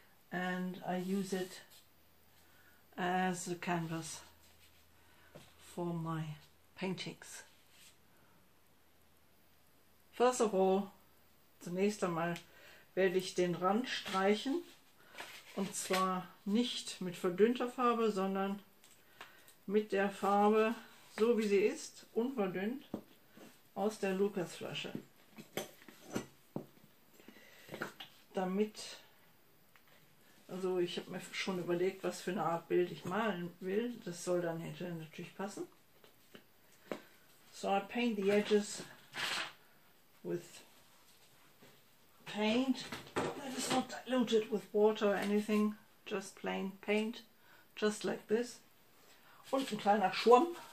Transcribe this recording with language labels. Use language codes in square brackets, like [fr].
[en] And I use it as a canvas for my paintings. First of all, [de] zunächst einmal werde ich den Rand streichen. Und zwar nicht mit verdünnter Farbe, sondern mit der Farbe, so wie sie ist, unverdünnt, aus der Lukasflasche. Also ich habe mir schon überlegt, was für eine Art Bild ich malen will. Das soll dann hätte natürlich passen. [en] So I paint the edges with paint that is not diluted with water or anything. Just plain paint, just like this. [de] Und ein kleiner Schwamm.